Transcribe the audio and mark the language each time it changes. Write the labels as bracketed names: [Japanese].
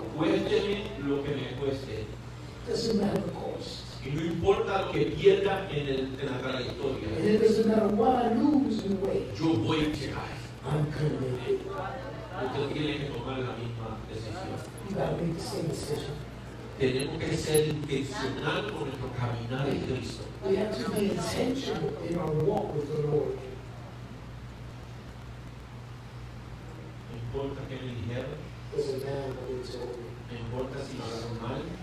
[Spanish] Cuésteme lo que me cueste. [English] Doesn't matter the cost. [Spanish] Y no importa lo que pierda en, el, en la trayectoria. [English] And it doesn't matter what I lose in the way. [Spanish] Yo voy a llegar. [English] I'm committed. [Spanish] Usted tiene que tomar la misma decisión. [English] You gotta make the same decision. [Spanish] Tenemos que ser intencional con nuestro caminar en Cristo. [English] We have to be intentional in our walk with the Lord. [Spanish] No importa qué me dijeron. [English] Doesn't matter what [Spanish] No importa si me hablaron mal.